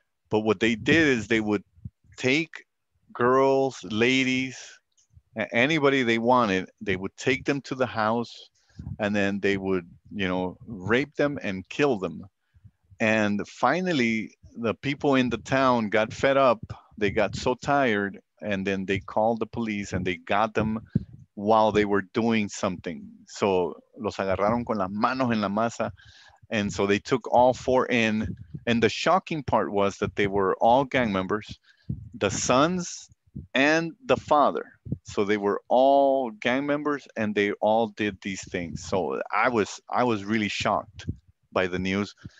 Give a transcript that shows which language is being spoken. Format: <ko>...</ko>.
<en>But what they did is they would take girls, ladies, anybody they wanted, they would take them to the house and then they would, you know, rape them and kill them. And finally, the people in the town got fed up. They got so tired, and then they called the police and they got them while they were doing something.</en> <es>So los agarraron con las manos en la masa.</es> <en>And so they took all four in. And the shocking part was that they were all gang members, the sons and the father. So they were all gang members and they all did these things. So I was really shocked by the news.</en>